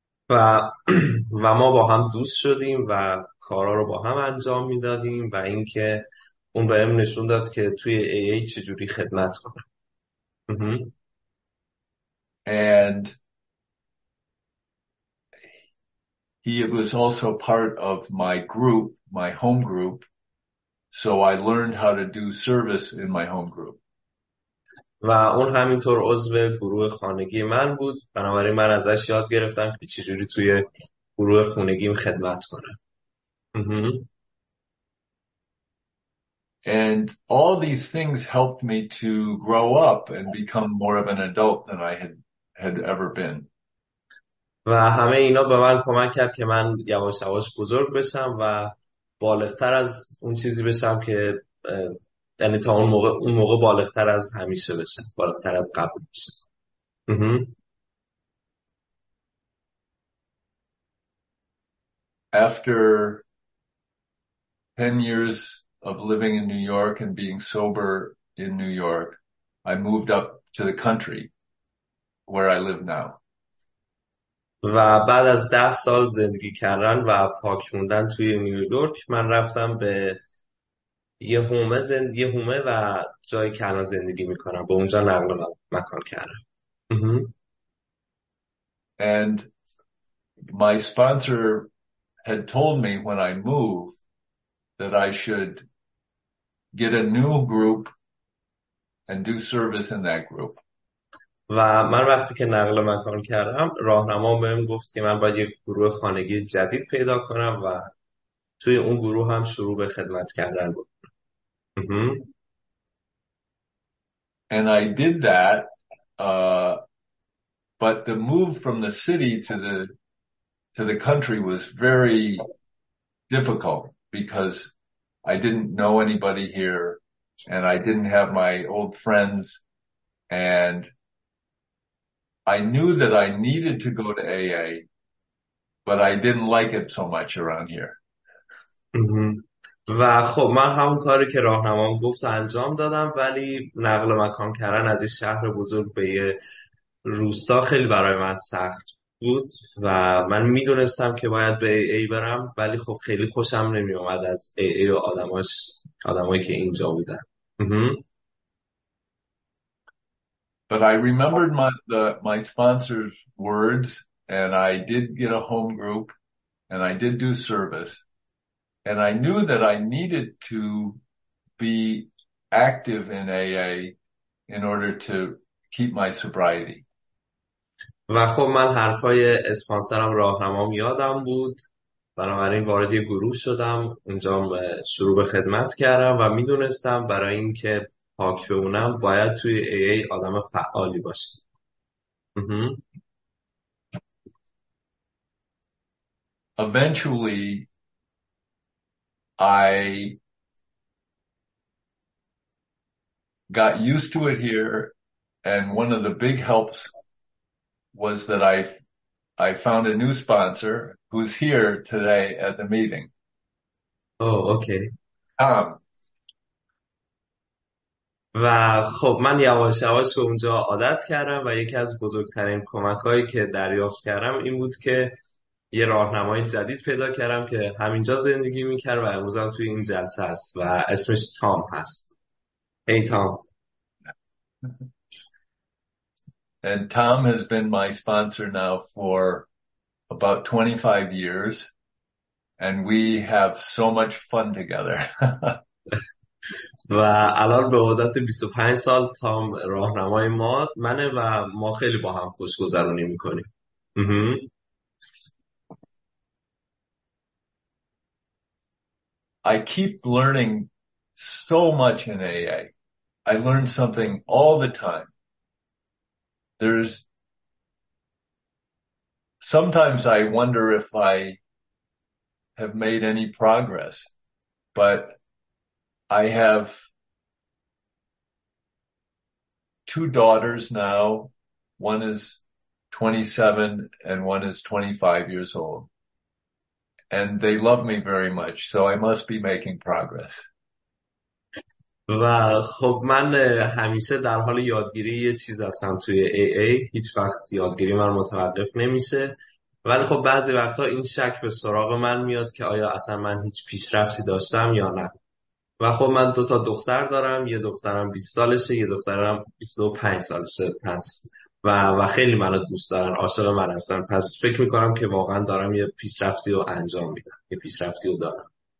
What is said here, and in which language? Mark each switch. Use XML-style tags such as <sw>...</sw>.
<fa>و ما با هم دوست شدیم و کارا رو با هم انجام میدادیم و اینکه اون بهم نشون داد که توی AA چجوری خدمت کنم.</fa> <en>And he was also part of my group, my home group, so I learned how to do service in my home group.</en> <fa>و اون همینطور عضو گروه خانگی من بود، بنابراین من ازش یاد گرفتم که چجوری توی گروه خانگیم خدمت کنم.</fa> <en>And all these things helped me to grow up and become more of an adult than I had ever been.</en> <fa>و همه اینا به من کمک کرد که من یواش یواش بزرگ بشم و بالغتر از اون چیزی بشم که یعنی تا اون موقع بالغتر از همیشه بشه، بالغتر از قبل بشه.</fa> <en>After 10 years of living in New York and being sober in New York, I moved up to the country where I live now.</en> <fa>و بعد از 10 سال زندگی کردن و پاک موندن توی نیویورک، من رفتم به یه هومه و جایی که الان زندگی میکنم به اونجا نقل مکان کردم.</fa> <en>And my sponsor had told me when I moved that I should get a new group and do service in that group.</en> <fa>و من وقتی که نقل مکان کردم راهنما بهم گفت که من باید یه گروه خانگی جدید پیدا کنم و توی اون گروه هم شروع به خدمت کردن بود.</fa> <en>And I did that, but the move from the city to the country was very difficult because I didn't know anybody here and I didn't have my old friends and I knew that I needed to go to AA, but I didn't like it so much around here.</en> <fa>و خب من همون کاری که راهنمام گفت انجام دادم، ولی نقل مکان کردن از یه شهر بزرگ به یه روستا خیلی برای من سخت بود و من میدونستم که باید به AA برم، ولی خب خیلی خوشم نمی اومد از AA و آدمایی که اینجا بودن.</fa> <en>But I remembered my sponsor's words and I did get a home group and I did do service. And I knew that I needed to be active in AA in order to keep my sobriety.</en> <fa>و خب من حرفای اسپانسرم راهنمام یادم بود، بنابراین وارد یه گروه شدم، اونجا شروع به خدمت کردم و میدونستم برای اینکه پاک بمونم باید توی AA آدم فعالی باشم.</fa> <en>Eventually I got used to it here, and one of the big helps was that I found a new sponsor who's here today at the meeting. Oh, okay.</en> <fa>و خب من یواش یواش به اونجا عادت کردم و یکی از بزرگترین کمک‌هایی که دریافت کردم این بود که یه راهنمای جدید پیدا کردم که همینجا زندگی میکرد و امروز هم توی این جلسه هست و اسمش تام هست.</fa> <en>Hey, Tom. And Tom has been my sponsor now for about 25 years and we have so much fun together.</en> <fa>و الان به مدت 25 سال تام راهنمای ما منه و ما خیلی با هم خوشگذرونی میکنیم.</fa> <en>I keep learning so much in AA. I learn something all the time. Sometimes I wonder if I have made any progress. but I have two daughters now. One is 27 and one is 25 years old. And they love me very much, so I must be making progress.</en> <fa>و خب من همیشه در حال یادگیری یه چیز هستم توی AA، هیچ وقت یادگیری من متوقف نمیشه، ولی خب بعضی وقتها این شک به سراغ من میاد که آیا اصلا من هیچ پیشرفتی داشتم یا نه. و خب من دوتا دختر دارم، یه دخترم 20 سالشه، یه دخترم 25 سالشه، پس و خیلی منو دوست دارن، عاشق من هستن، پس فکر میکنم که واقعا دارم یه پیشرفتی رو انجام میدم، یه پیشرفتی رو دارم.</fa>